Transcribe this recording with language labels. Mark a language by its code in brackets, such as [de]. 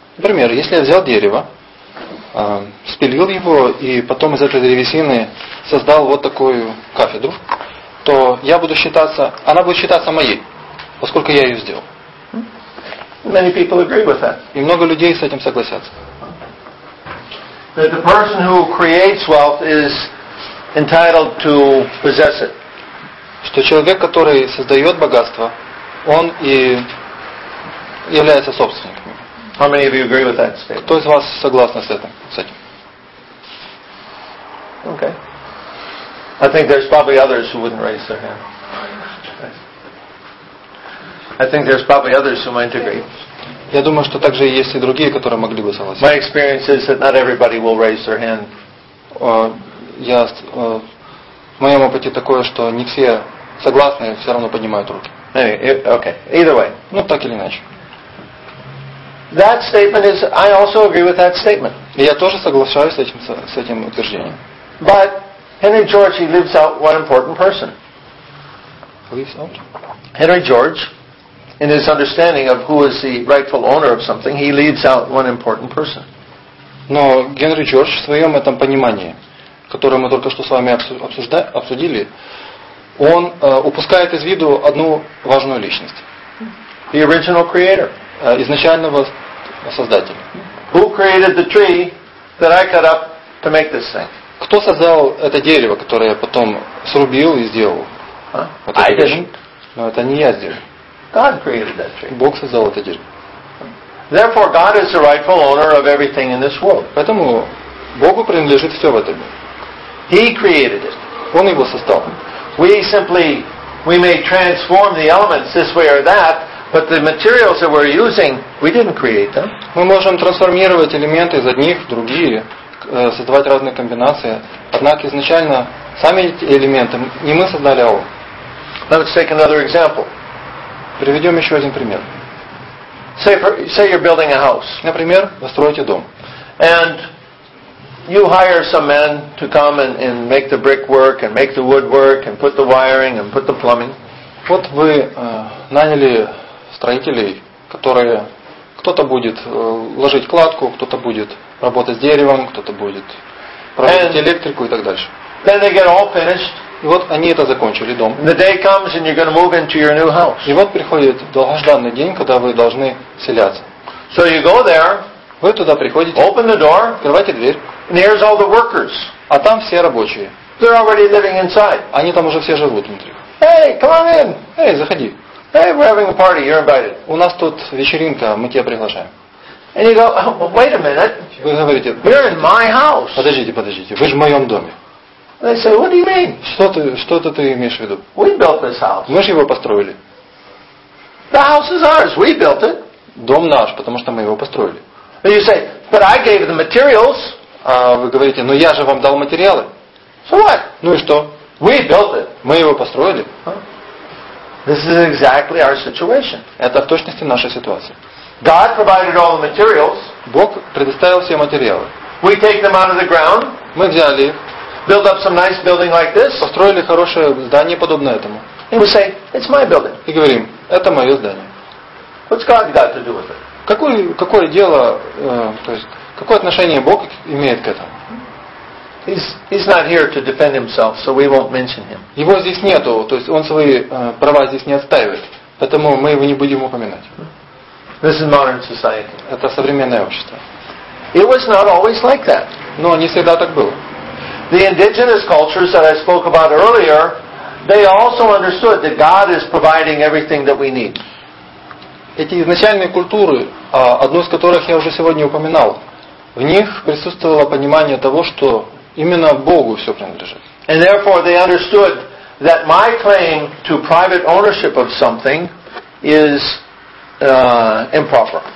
[ru] Например, если я взял дерево, спилил его и потом из этой древесины создал вот такую кафедру, то я буду считаться, она будет считаться моей, поскольку я ее сделал. [en] Many people agree with that. [ru] И много людей с этим согласятся. [en] That the person who creates wealth is entitled to possess it. [ru] Что человек, который создает богатство, он и является собственником. [en] How many of you agree with that statement? [ru] Кто из вас согласен с этим? [en] Okay. I think there's probably others who wouldn't raise their hand. I think there's probably others who might agree. [ru] Я думаю, что также есть и другие, которые могли бы согласиться. [en] My experience is that not everybody will raise their hand. [ru] В моем опыте такое, что не все согласны, все равно поднимают руки. [en] Okay. Either way. [ru] Ну, так или иначе. [en] That statement is. I also agree with that statement. [ru] Я тоже соглашаюсь с этим утверждением. [en] But Henry George, he leaves out one important person. Leaves out? Henry George. In his understanding of who is the rightful owner of something, he leaves out one important person. [ru] Но Генри Джордж в своем этом понимании, которое мы только что с вами обсудили, он упускает из виду одну важную личность. [en] The original creator. [ru] Изначального создателя. [en] Who created the tree that I cut up to make this thing? [ru] Кто создал это дерево, которое я потом срубил и сделал? [en] Huh? I didn't. [ru] Но это не я сделал. [en] God created that tree. [ru] Бог создал это дерево. [en] Therefore, God is the rightful owner of everything in this world. [ru] Поэтому Богу принадлежит все в этом мире. [en] He created it. [ru] Он его создал. [en] We may transform the elements this way or that, but the materials that we're using, we didn't create them. [ru] Мы можем трансформировать элементы из одних в другие, создавать разные комбинации. Однако изначально сами эти элементы не мы создали, а Он. [en] Let's take another example. [ru] Приведем еще один пример. [en] Say you're building a house. [ru] Например, вы строите дом. [en] And you hire some men to come and make the brick work and make the wood work and put the wiring and put the plumbing. [ru] Вот вы наняли строителей, которые кто-то будет ложить кладку, кто-то будет работать с деревом, кто-то будет проводить электрику и так дальше. [en] Then they get all finished. [ru] И вот они это закончили, дом. [en] The day comes and you're going to move into your new house. [ru] И вот приходит долгожданный день, когда вы должны селяться. [en] So you go there. [ru] Вы туда приходите. [en] Open the door. [ru] Открывайте дверь. [en] And here's all the workers. [ru] А там все рабочие. [en] They're already living inside. [ru] Они там уже все живут внутри. [en] Hey, come on in. [ru] Эй, заходи. [en] Hey, we're having a party. You're invited. [ru] У нас тут вечеринка, мы тебя приглашаем. [en] And you go, oh, wait a minute. [ru] Вы говорите, [en] we're in my house. [ru] Подождите, вы же в моем доме. [en] They say, what do you mean? [ru] Что ты имеешь в виду? [en] We built this house. [ru] Мы же его построили. [en] The house is ours. We built it. [ru] Дом наш, потому что мы его построили. [en] And you say, but I gave the materials. [ru] А вы говорите, ну я же вам дал материалы. [en] So what? [ru] Ну и что? [en] We built it. [ru] Мы его построили. [en] This is exactly our situation. [ru] Это в точности наша ситуация. [en] God provided all the materials. [ru] Бог предоставил все материалы. [en] We take them out of the ground. [ru] Мы взяли их. [en] Build up some nice building like this. [ru] Построили хорошее здание подобное этому. [en] And we say, it's my building. [ru] И говорим, это мое здание. [en] What's God got to do with it? [ru] Какое дело, то есть какое отношение Бог имеет к этому? [en] He's not here to defend himself, so we won't mention him. [ru] Его здесь нету, то есть он свои права здесь не отстаивает, поэтому мы его не будем упоминать. [en] This is modern society. [ru] Это современное общество. [en] It was not always like that. [ru] Но не всегда так было. [en] The indigenous cultures that I spoke about earlier, they also understood that God is providing everything that we need. [ru] Эти изначальные культуры, одну из которых я уже сегодня упоминал, в них присутствовало понимание того, что именно Богу все принадлежит. [en] And therefore they understood that my claim to private ownership of something is improper.